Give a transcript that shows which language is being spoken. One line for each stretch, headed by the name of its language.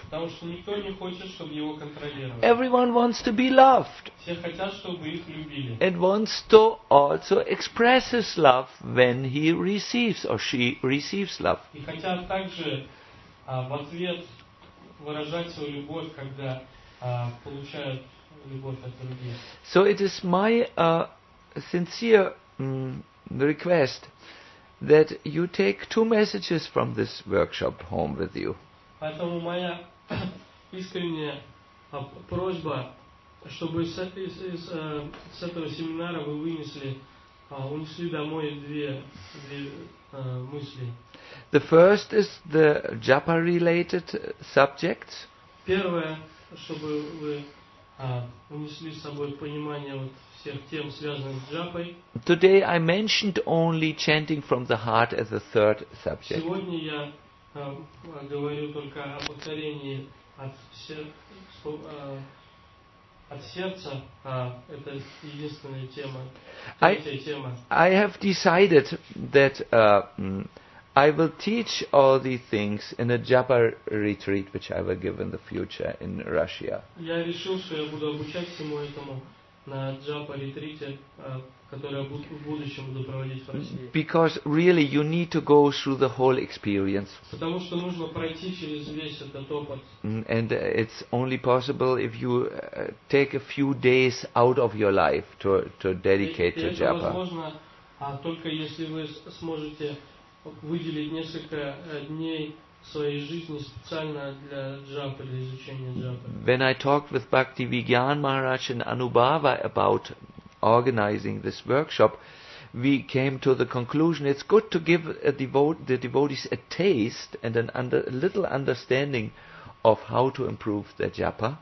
Russian: Потому что никто не хочет, чтобы его контролировали.
English: Everyone wants to be loved.
Russian: Все хотят, чтобы их любили.
English: And wants to also express his love when he receives or she receives love.
Russian: И хотят также в ответ выражать свою любовь, когда получают любовь от других.
English: So it is my sincere request that you take two messages from this workshop home with you.
Russian: Поэтому моя искренняя просьба, чтобы с этого семинара вы вынесли, унесли домой две мысли.
English: The first is the japa-related subjects.
Russian: Первое, чтобы вы унесли с собой понимание вот всех тем, связанных с джапой.
English: Today I mentioned only chanting from the heart as the third subject.
Russian: Сегодня я говорю только о повторении от сердца. От сердца, это единственная тема, третья тема.
English: I have decided that I will teach all these things in a japa retreat which I will give in the future in Russia.
Russian: Я решил, что я буду обучать всему этому на джапа ретрите, который я буду в будущем буду проводить в России.
English: Because really you need to go through the whole experience.
Russian: Потому что нужно пройти через весь этот опыт.
English: And it's only possible if you take a few days out of your life to dedicate to japa.
Russian: Это возможно, только если вы сможете выделить несколько дней своей жизни специально для джапы, для изучения джапы.
English: When I talked with Bhakti Vigyan Maharaj and Anubhava about organizing this workshop, we came to the conclusion it's good to give the devotees a taste and a little understanding of how to improve their japa.